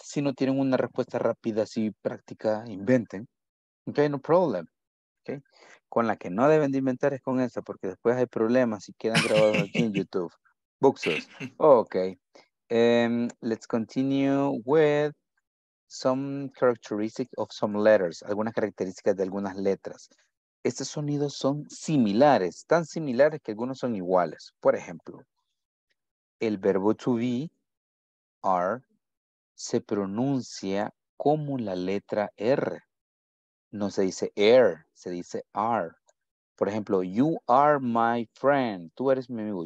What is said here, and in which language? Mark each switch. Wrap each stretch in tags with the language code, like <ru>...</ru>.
<es>Si no tienen una respuesta rápida, así práctica, inventen. Okay, no problem. Okay. Con la que no deben de inventar es con esa, porque después hay problemas y quedan grabados aquí en YouTube.</es> <en>Books. Okay. Let's continue with some characteristics of some letters.</en> <es>Algunas características de algunas letras. Estos sonidos son similares, tan similares que algunos son iguales. Por ejemplo, el verbo to be, are, se pronuncia como la letra R. No se dice air, se dice are. Por ejemplo,</es> <en>you are my friend.</en> <es>Tú eres mi amigo.</es>